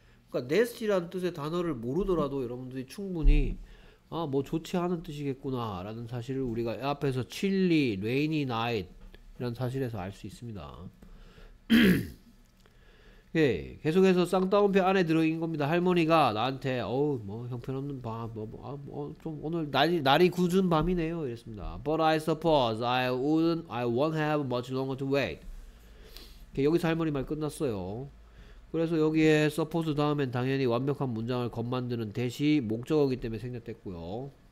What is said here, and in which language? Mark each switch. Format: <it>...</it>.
<ko>그러니까 nest라는 뜻의 단어를 모르더라도 여러분들이 충분히 아, 뭐 좋지 않은 뜻이겠구나 라는 사실을 우리가 앞에서 chilly, rainy night 이런 사실에서 알 수 있습니다. 예, 계속해서 쌍따옴표 안에 들어있는 겁니다. 할머니가 나한테 어우 뭐 형편없는 밤 좀 오늘 날이 굳은 밤이네요 이랬습니다.</ko> <en>But I suppose I won't have much longer to wait.</en> <ko>여기서 할머니 말 끝났어요. 그래서 여기에 suppose 다음엔 당연히 완벽한 문장을 겉만드는 대시 목적어이기 때문에 생략됐고요.</ko>